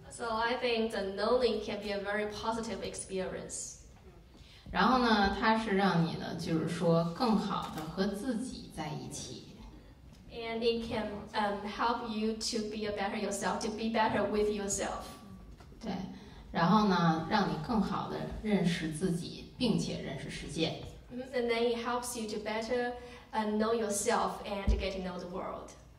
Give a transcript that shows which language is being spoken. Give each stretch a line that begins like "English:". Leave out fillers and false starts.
English: So I think the knowing can be a very positive experience.
Chinese: 然后呢，它是让你呢，就是说更好的和自己在一起。
English: And it can help you to be a better yourself, to be better with yourself.
Chinese: 对，然后呢，让你更好的认识自己，并且认识世界。
English: And then it helps you to better know yourself and to get to know the world.